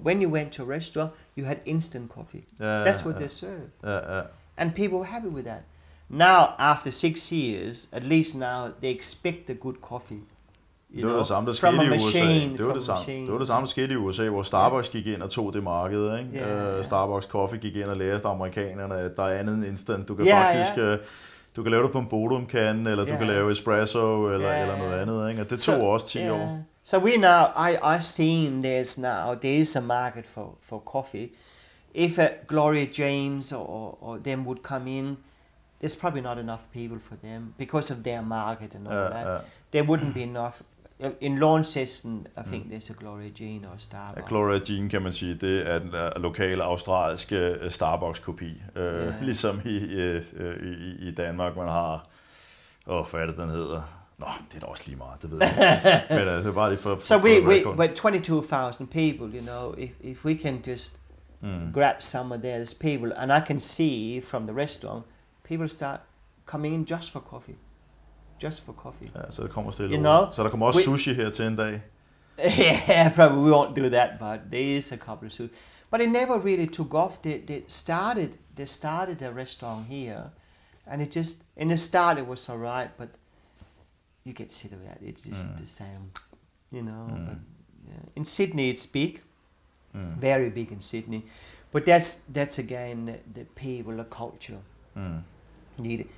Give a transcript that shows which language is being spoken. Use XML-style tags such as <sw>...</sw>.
<en>When you went to a restaurant, you had instant coffee. That's what they served. Yeah. And people were happy with that. Now, after 6 years, at least now, they expect the good coffee.</en> <da>Det var det samme, der skete i USA. Hvor Starbucks gik ind og tog det marked. Ikke?</da> <en>Yeah.</en> <da>Starbucks Coffee gik ind og lærte amerikanerne, at der er andet end instant. Du kan faktisk... Yeah. Du kan lave det på en Bodum-kande, eller du kan lave espresso, eller noget andet. Ikke? Og det tog også 10 år.</da> <en>So we now, I've seen there's now, there is a market for coffee. If Gloria James or them would come in, there's probably not enough people for them because of their market and all that. There wouldn't be enough. In Launceston, I think there's a Gloria Jean or a Starbucks.</en> <da>Ja, Gloria Jean, kan man sige, det er den lokale australiske Starbucks-kopi. Ligesom i Danmark, man har, hvad er det, den hedder? Nå, det er da også lige meget, det ved jeg ikke. Men det er bare lige for</da> <en>so we record. 22,000 people, you know, if we can just grab some of those people, and I can see from the restaurant, people start coming in just for coffee. Just for coffee.</en> <da>Ja, så der kommer stille</da> <en>you know,</en> <da>så der kommer også sushi her til en dag.</da> <en>Yeah, probably we won't do that, but there is a couple of sushi. But it never really took off. They started a restaurant here, and it just in the start it was all right, but you get sick of that. It's just the same, you know. But, in Sydney it's big, very big in Sydney, but that's again the people, the culture. Need it.</en>